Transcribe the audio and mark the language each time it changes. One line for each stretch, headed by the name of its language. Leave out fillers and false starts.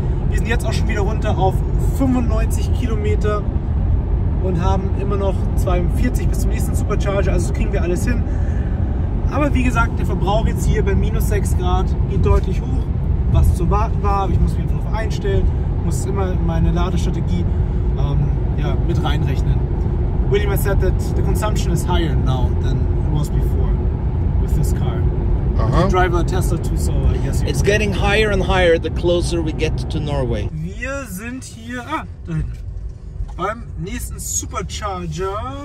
German: Wir sind jetzt auch schon wieder runter auf 95 Kilometer und haben immer noch 42 bis zum nächsten Supercharger, also kriegen wir alles hin. Aber wie gesagt, der Verbrauch jetzt hier bei minus 6 Grad geht deutlich hoch, was zu warten war. Ich muss mich darauf einstellen, muss immer meine Ladestrategie mit reinrechnen.
English: William has said that the consumption is higher now than it was before with this car. Uh-huh. The driver Tesla too, so I guess it's right. Getting higher and higher the closer we get to Norway.
German: Wir sind hier da hinten beim nächsten Supercharger.